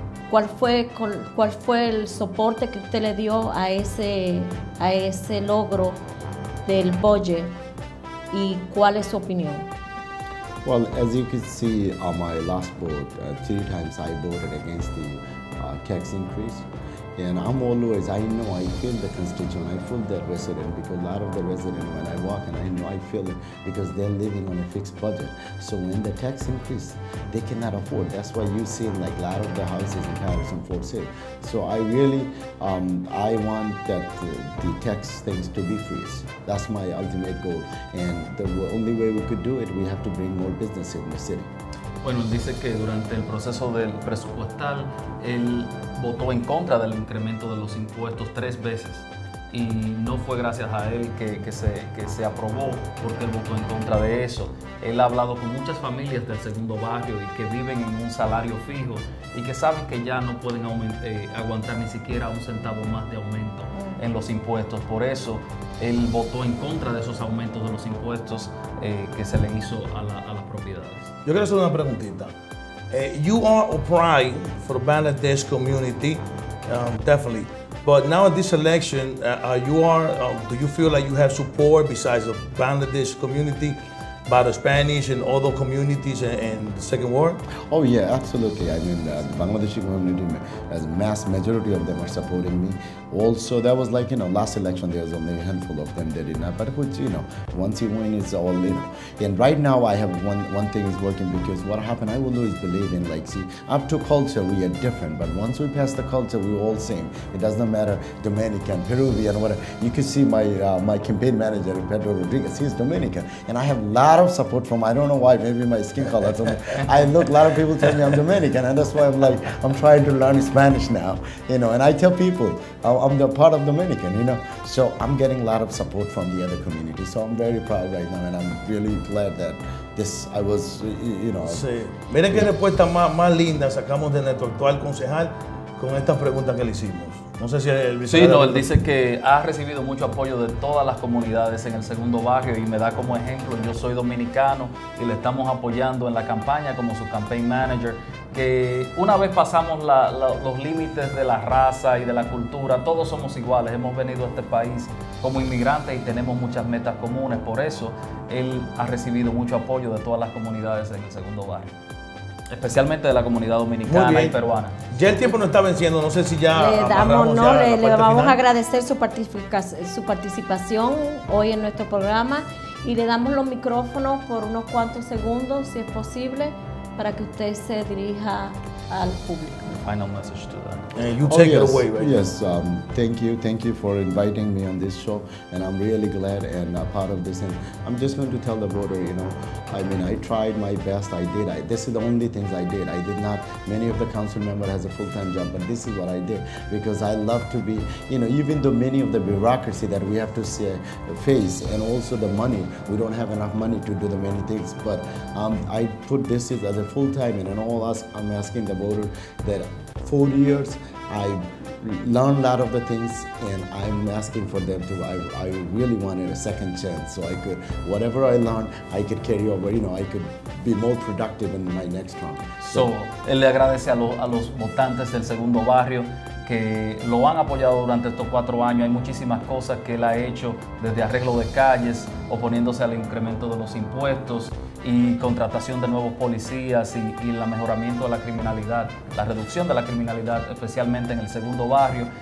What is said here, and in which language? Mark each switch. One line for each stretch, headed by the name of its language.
Spanish: ¿Cuál fue el soporte que usted le dio a ese logro del budget y cuál es su opinión?
English: Well, as you can see on my last vote, three times I voted against the tax increase. And I'm always, I know, I feel the constituent, I feel the resident, because a lot of the resident, when I walk and I know, I feel it, because they're living on a fixed budget. So when the tax increase, they cannot afford. That's why you see like a lot of the houses in Patterson for sale. So I really, I want that the tax things to be freeze. That's my ultimate goal. And the only way we could do it, we have to bring more business in the city.
Spanish: Bueno, él dice que durante el proceso del presupuestal, él votó en contra del incremento de los impuestos tres veces. Y no fue gracias a él que se aprobó, porque él votó en contra de eso. Él ha hablado con muchas familias del segundo barrio y que viven en un salario fijo y que saben que ya no pueden aguantar ni siquiera un centavo más de aumento en los impuestos. Por eso, él votó en contra de esos aumentos de los impuestos que se le hizo a las propiedades. Yo quiero hacer una preguntita.
English: You are a pride for the Bangladesh community, definitely. But now in this election, do you feel like you have support besides the Bangladesh community by the Spanish and other communities and the Second World? Oh yeah, absolutely. I mean, the Bangladeshi community, as mass majority of them are supporting me. Also, that was like, you know, last election, there was only a handful of them that did not, but which, you know, once you win, it's all, you know. And right now, I have one thing is working, because what happened, I will always believe in, like, see, up to culture, we are different, but once we pass the culture, we're all same. It doesn't matter, Dominican, Peruvian, whatever. You can see my campaign manager, Pedro Rodriguez, he's Dominican, and I have a lot of support from, I don't know why, maybe my skin color, so I look, a lot of people tell me I'm Dominican, and that's why I'm like, I'm trying to learn Spanish now, you know, and I tell people, I'm the part of Dominican, you know. So I'm getting a lot of support from the other community. So I'm very proud right now, and I'm really glad that this, I was, you know.
Spanish: Sí. Miren qué respuesta más linda sacamos de nuestro actual concejal con estas preguntas que le hicimos. No sé si el vicepresidente. Sí, no, él dice que ha recibido mucho apoyo de todas las comunidades en el segundo barrio y me da como ejemplo, yo soy dominicano y le estamos apoyando en la campaña como su campaign manager. Que una vez pasamos los límites de la raza y de la cultura, todos somos iguales. Hemos venido a este país como inmigrantes y tenemos muchas metas comunes. Por eso, él ha recibido mucho apoyo de todas las comunidades en el segundo barrio. Especialmente de la comunidad dominicana y peruana. Ya el tiempo no está venciendo, no sé si ya... Le vamos a agradecer su participación hoy en nuestro programa y le damos los micrófonos por unos cuantos segundos, si es posible, para que usted se dirija al público.
English: Final message to that. You take it away, right? Yes, thank you for inviting me on this show, and I'm really glad and part of this. And I'm just going to tell the voter, you know, I mean, I tried my best, I did. This is the only things I did. I did not, many of the council members has a full-time job, but this is what I did, because I love to be, you know, even though many of the bureaucracy that we have to face, and also the money, we don't have enough money to do the many things, but I put this as a full-time, and I'm asking the voter that 4 years, I learned a lot of the things, and I'm asking for them to, I really wanted a second chance, so I could, whatever I learned, I could carry over, you know, I could be more productive in my next round.
Spanish: So, él le agradece a los votantes del segundo barrio, que lo han apoyado durante estos 4 años. Hay muchísimas cosas que él ha hecho, desde arreglo de calles, oponiéndose al incremento de los impuestos y contratación de nuevos policías y el mejoramiento de la criminalidad, la reducción de la criminalidad, especialmente en el segundo barrio.